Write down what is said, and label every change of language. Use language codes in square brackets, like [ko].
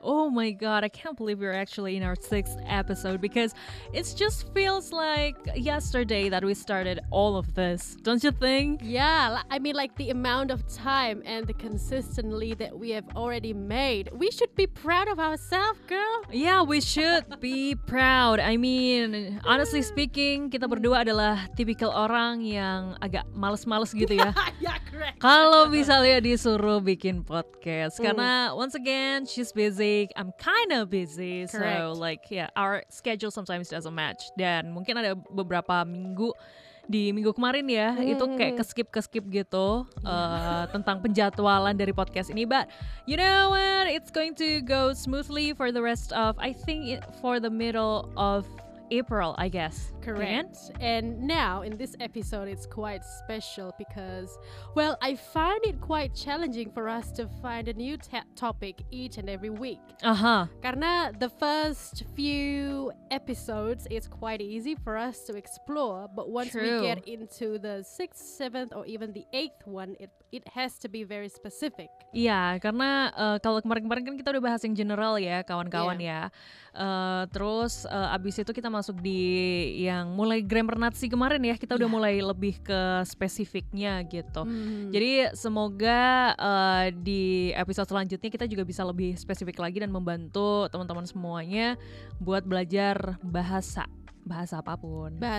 [en] Oh my god, I can't believe we're actually in our sixth episode, because it just feels like yesterday that we started all of this, don't you think? Yeah, I mean, like, the amount of time and the consistency that we have already made. We should be proud of ourselves, girl. Yeah, we should be proud. I mean, honestly speaking, [id] kita berdua adalah typical orang yang agak malas-malas gitu ya. [en] Yeah, correct. [id] Kalau misalnya disuruh bikin podcast, karena [en] once again, she's busy, I'm kind of busy. Correct. So like, yeah, our schedule sometimes doesn't match. [id] Dan mungkin ada beberapa minggu, di minggu kemarin ya, itu kayak keskip-keskip gitu, tentang penjadwalan dari podcast ini. [en] But you know what, it's going to go smoothly for the rest of, I think for the middle of April, I guess. Correct. Yeah. And now in this episode, it's quite special because, well, I find it quite challenging for us to find a new topic each and every week. Uh-huh. [id] Karena [en] the first few episodes, it's quite easy for us to explore. But once True. We get into the sixth, seventh, or even the eighth one, it has to be very specific. [id] Yeah, karena kalau kemarin-kemarin kan kita udah bahas yang general ya, kawan-kawan terus abis itu kita masuk di yang mulai [en] grammar Nazi [id] kemarin ya, kita udah mulai lebih ke spesifiknya gitu. Jadi semoga di episode selanjutnya kita juga bisa lebih spesifik lagi dan membantu teman-teman semuanya buat belajar bahasa apapun.